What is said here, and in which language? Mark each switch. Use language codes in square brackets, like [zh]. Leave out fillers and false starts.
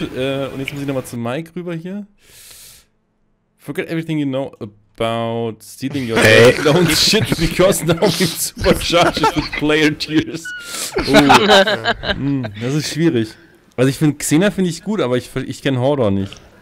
[de] Und jetzt muss ich nochmal zu Mike rüber hier. [en] Forget everything you know about stealing your own shit, because now we supercharge with player tears. [de] Oh. Das ist schwierig. Also ich finde, Xena finde ich gut, aber ich kenne Hodor nicht.